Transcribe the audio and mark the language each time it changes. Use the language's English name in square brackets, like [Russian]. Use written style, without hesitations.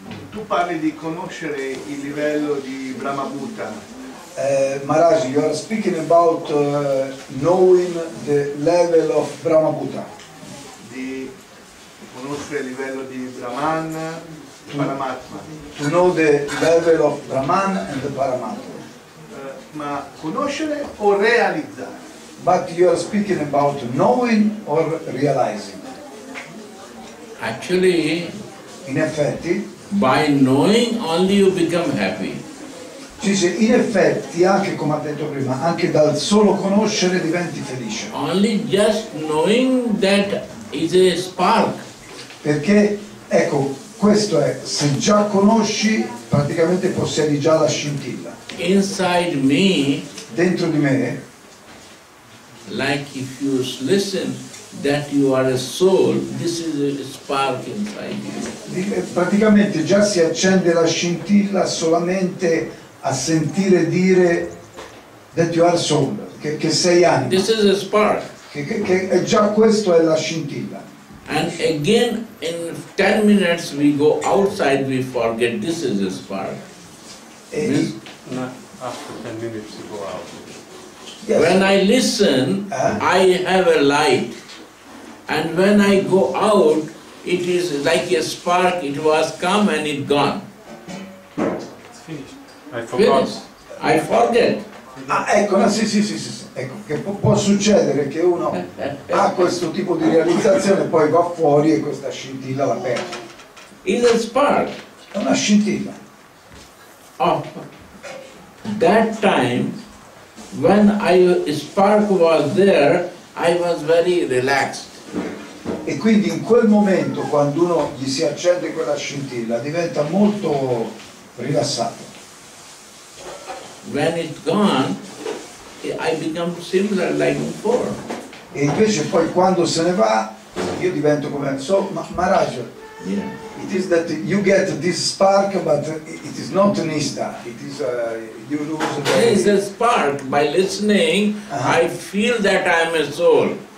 [Italian] Tu parli di conoscere il livello di Brahma Buddha. [English] Maharaj, you are speaking about knowing the level of Brahma Buddha. [Italian] Di conoscere il livello di Brahman Paramatma. [English] To know the level of Brahman and the Paramatma. [Italian] Ma conoscere o realizzare? [English] But you are speaking about knowing or realizing. Actually, [Italian] in effetti, [English] by knowing only you become happy. [Italian] Cioè, in effetti, anche come ha detto prima, anche dal solo conoscere diventi felice. [English] Only just knowing that is a spark. [Italian] Perché, ecco, questo è, se già conosci, praticamente possiedi già la scintilla. [English] Inside me, [Italian] dentro di me, [English] like if you listen that you are a soul, this is a spark inside you. [Italian] Praticamente già si accende la scintilla solamente a sentire dire [English] that you are soul, [Italian] che sei anima. [English] This is a spark. [Italian] Che già questo è la scintilla. [English] And again in 10 minutes we go outside, we forget this is a spark. After 10 minutes you go out. Yes. When I listen, I have a light. And when I go out, it is like a spark, it was come and it gone. It's finished. I forget. [Italian] Ah, ecco, no, sì. Ecco, che può succedere che uno ha questo tipo di realizzazione, poi va fuori e questa scintilla la perde. [English] It's a spark. [Italian] È una scintilla. [English] Oh, that time, when a spark was there, I was very relaxed. [Italian] E quindi in quel momento, quando uno gli si accende quella scintilla, diventa molto rilassato. [English] When it's gone, I become similar like before. [Italian] E invece poi quando se ne va, io divento come... [English] So, Maharaj, yeah. It is that you get this spark, but it is not Nista. It is you lose the... It is a spark. By listening, I feel that I am a soul.